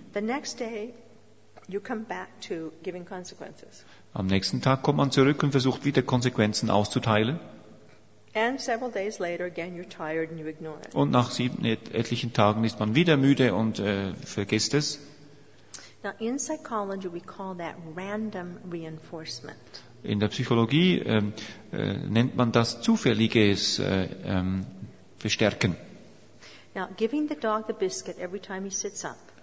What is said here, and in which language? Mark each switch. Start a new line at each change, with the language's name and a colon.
English: The next day, you come back to giving consequences.
German: Am nächsten Tag kommt man zurück und versucht wieder Konsequenzen auszuteilen.
English: And several days later, again, you're tired and you ignore it.
German: Und nach etlichen Tagen ist man wieder müde und vergisst es.
English: Now, in psychology, we call that random reinforcement.
German: In der Psychologie nennt man das zufälliges Verstärken.
English: Now, giving the dog the biscuit every time he sits up.